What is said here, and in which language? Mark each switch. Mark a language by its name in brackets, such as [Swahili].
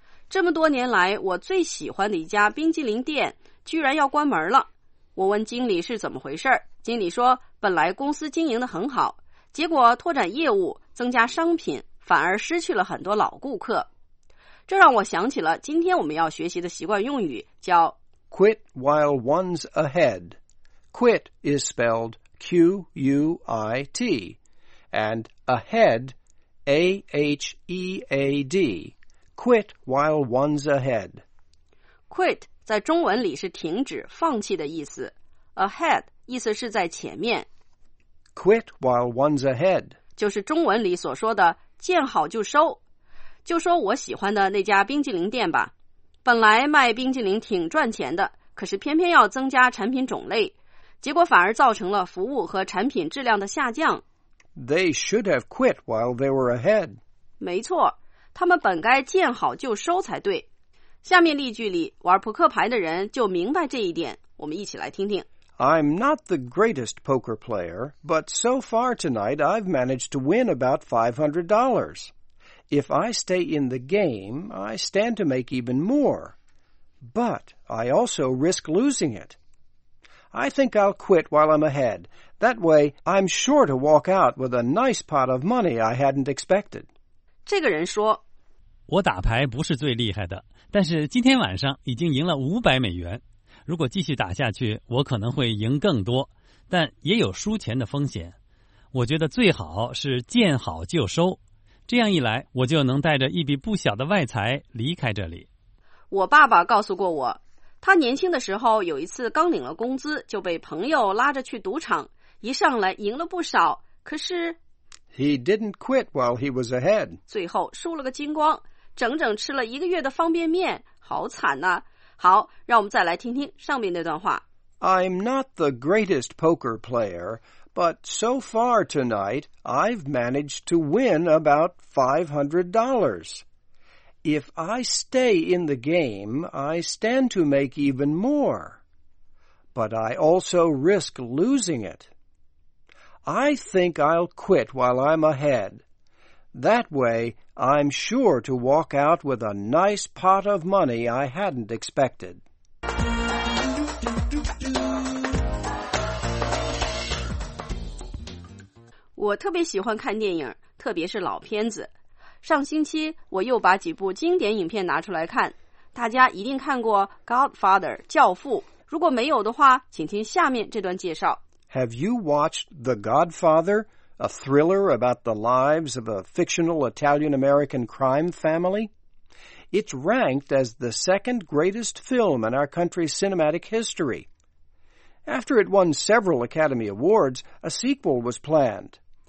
[Chinese] 这么多年来，我最喜欢的一家冰激凌店居然要关门了。我问经理是怎么回事，经理说本来公司经营得很好，结果拓展业务，增加商品，反而失去了很多老顾客。这让我想起了今天我们要学习的习惯用语，叫 [English] Quit while one's ahead. Quit is spelledQUIT and ahead AHEAD quit while one's ahead. [Chinese] Quit 在中文里是停止放弃的意思， ahead 意思是在前面。 [English] Quit while one's ahead [Chinese] 就是中文里所说的见好就收。就说我喜欢的那家冰激凌店吧，本来卖冰激凌挺赚钱的，可是偏偏要增加产品种类，结果反而造成了服务和产品质量的下降。 [English] They should have quit while they were ahead. [Chinese] 没错，他们本该见好就收才对。下面例句里，玩扑克牌的人就明白这一点，我们一起来听听。 [English] I'm not the greatest poker player, but so far tonight I've managed to win about $500. If I stay in the game, I stand to make even more. But I also risk losing it. I think I'll quit while I'm ahead. That way, I'm sure to walk out with a nice pot of money I hadn't expected. [Chinese] 这个人说，我打牌不是最厉害的，但是今天晚上已经赢了$500。如果继续打下去，我可能会赢更多，但也有输钱的风险。我觉得最好是见好就收，这样一来，我就能带着一笔不小的外财离开这里。我爸爸告诉过我，他年轻的时候有一次刚领了工资，就被朋友拉着去赌场，一上来赢了不少，可是 [English] He didn't quit while he was ahead. [Chinese] 最后输了个精光，整整吃了一个月的方便面，好惨啊。好，让我们再来听听上面那段话。 [English] I'm not the greatest poker player, but so far tonight, I've managed to win about $500. If I stay in the game, I stand to make even more. But I also risk losing it. I think I'll quit while I'm ahead. That way, I'm sure to walk out with a nice pot of money I hadn't expected. [Chinese] 我特别喜欢看电影，特别是老片子。上星期我又把几部经典影片拿出来看，大家一定看过 Godfather 教父，如果没有的话，请听下面这段介绍。 [English] Have you watched The Godfather, a thriller about the lives of a fictional Italian-American crime family? It's ranked as the second greatest film in our country's cinematic history. After it won several Academy Awards, a sequel was planned.